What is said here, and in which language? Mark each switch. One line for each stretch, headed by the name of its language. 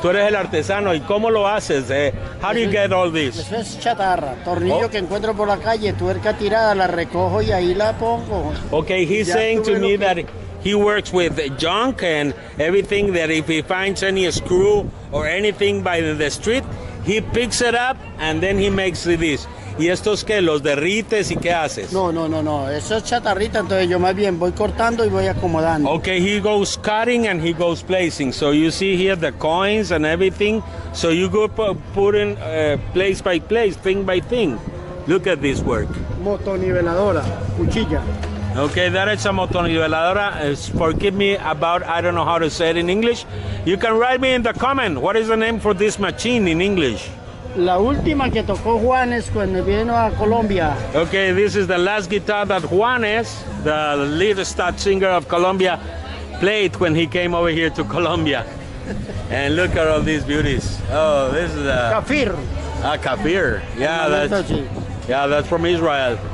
Spanish: Tú eres el artesano, ¿y cómo lo haces?
English: How do you get all this?
Spanish: Eso es chatarra, tornillo que encuentro por la calle, tuerca tirada, la recojo y ahí la pongo.
English: Okay, he's saying to me that he works with junk and everything, that if he finds any screw or anything by the street, he picks it up and then he makes this.
Spanish: ¿Y estos qué? ¿Los derrites y qué haces? No. Eso es chatarrita, entonces yo más bien voy cortando y voy acomodando.
English: Okay, he goes cutting and he goes placing. So you see here the coins and everything. So you go putting place by place, thing by thing. Look at this work.
Spanish: Motoniveladora, cuchilla.
English: Okay, that is a motoniveladora. Forgive me about, I don't know how to say it in English. You can write me in the comment, what is the name for this machine in English?
Spanish: La última que tocó Juanes cuando vino a Colombia.
English: Okay, this is the last guitar that Juanes, the lead star singer of Colombia, played when he came over here to Colombia. And look at all these beauties. Oh, this is a... Kafir. A kafir. Yeah, that's from Israel.